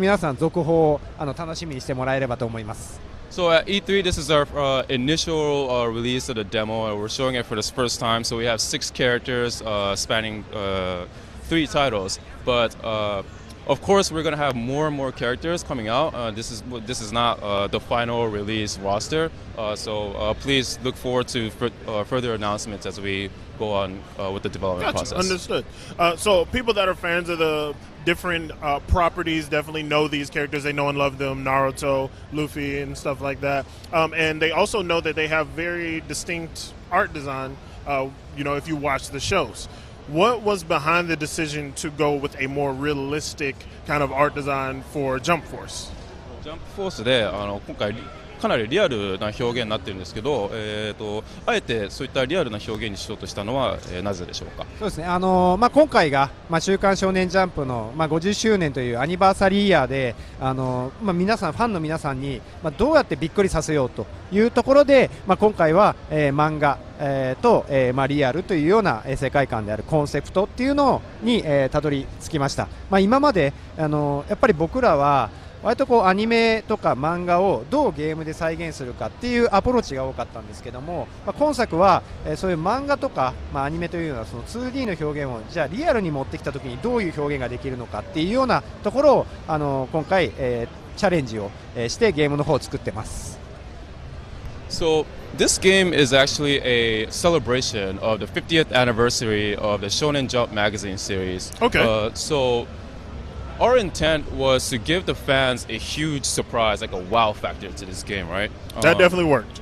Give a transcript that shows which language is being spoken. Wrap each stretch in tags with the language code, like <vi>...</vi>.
<ja>今出てるキャラクターが、一応リリース当時での第一弾キャラクターになるんですが、それともこれからもまだ追加はされるんですか?そうですね。今回初出、初めて皆さんにアナウンスしたので、現状6キャラ、3作品っていう形でアナウンスしてますけども、もちろんもっともっとたくさんのキャラクター作品登場してきますので、ぜひ皆さん続報を楽しみにしてもらえればと思います。</ja> <en>So at E3, this is our initial release of the demo, and we're showing it for the first time. So we have six characters spanning three titles. But of course, we're going to have more and more characters coming out. This is not the final release roster. So please look forward to further announcements as we go on with the development gotcha. Process. Understood. So people that are fans of the different properties definitely know these characters. They know and love them, Naruto, Luffy, and stuff like that. And they also know that they have very distinct art design, if you watch the shows. What was behind the decision to go with a more realistic kind of art design for Jump Force?</en> <ja>Jump Force で、かなりリアルな表現になってるんですけど、あえてそういったリアルな表現にしようとしたのはなぜでしょうか。そうですね。今回が週刊少年ジャンプの50周年というアニバーサリーイヤーで、皆さんファンの皆さんにどうやってびっくりさせようというところで、今回は漫画とリアルというような世界観であるコンセプトっていうのにたどり着きました。今まで、やっぱり僕らは割とアニメとか漫画をどうゲームで再現するかっていうアプローチが多かったんですけども、今作はそういう漫画とかアニメというような 2D の表現をじゃあリアルに持ってきた時にどういう表現ができるのかっていうようなところを今回チャレンジをしてゲームの方を作ってます。</ja> <en>So this game is actually a celebration of the 50th anniversary of the Shonen Jump magazine series. Okay. So our intent was to give the fans a huge surprise, like a wow factor to this game, right? That definitely worked.</en>